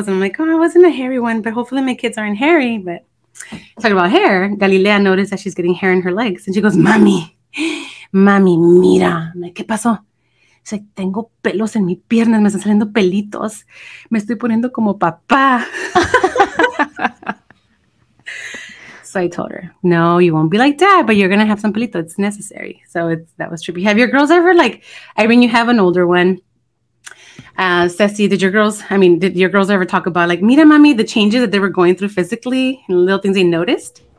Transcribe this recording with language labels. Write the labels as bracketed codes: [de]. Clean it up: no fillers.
[en] And I'm like, oh, I wasn't a hairy one, but hopefully my kids aren't hairy. But talking about hair, Galilea noticed that she's getting hair in her legs. And she goes, [es] mami, mira. [en] I'm like, [es] ¿qué pasó? tengo pelos en mi pierna, me están saliendo pelitos, me estoy poniendo como papá. [en] So I told her, no, you won't be like that, but you're going to have some pelito. It's necessary. So that was trippy. Have your girls ever, like, I mean, you have an older one. Ceci, did your girls ever talk about, like, [es] mira, mami, [en] the changes that they were going through physically and little things they noticed?